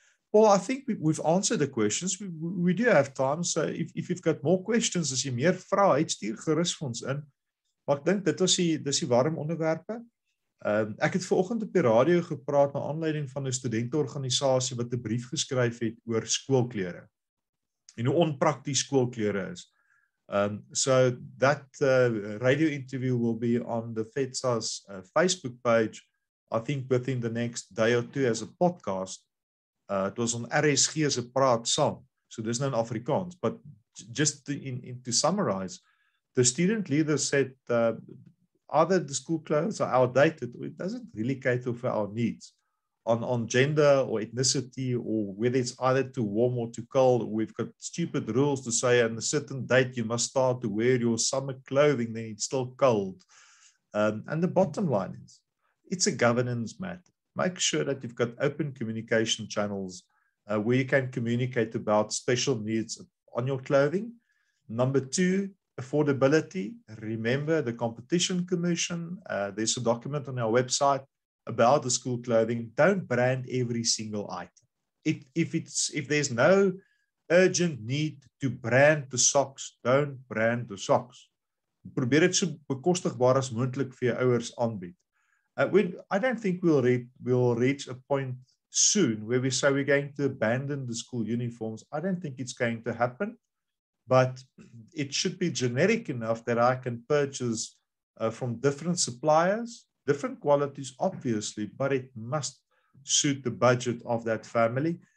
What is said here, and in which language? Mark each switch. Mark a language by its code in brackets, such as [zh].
[en] Paul, I think we've answered the questions. We do have time, so if you've got more questions, [af] as jy meer vrae het, stuur gerus vir ons in. Maar ek dink dis die warm onderwerpe. Ek het vanoggend op die radio gepraat na aanleiding van 'n studentorganisasie wat 'n brief geskryf het oor skoolklere en hoe onprakties skoolklere is. [en] So that radio interview will be on the FEDSA's Facebook page, I think within the next day or two as a podcast. It was on RSG as a praat saam, [af] so dis nou in Afrikaans. [en] But just to summarize, the student leader said either the school clothes are outdated or it doesn't really cater for our needs on gender or ethnicity or whether it's either too warm or too cold. We've got stupid rules to say on a certain date you must start to wear your summer clothing, then it's still cold. And the bottom line is, it's a governance matter. Make sure that you've got open communication channels where you can communicate about special needs on your clothing. Number two, affordability. Remember the Competition Commission. There's a document on our website about the school clothing. Don't brand every single item. If there's no urgent need to brand the socks. Don't brand the socks. [af] Probeer het so bekostigbaar as moontlik vir jou ouers aanbied. [en] I don't think we'll reach a point soon where we say we're going to abandon the school uniforms. I don't think it's going to happen, but it should be generic enough that I can purchase from different suppliers, different qualities, obviously, but it must suit the budget of that family.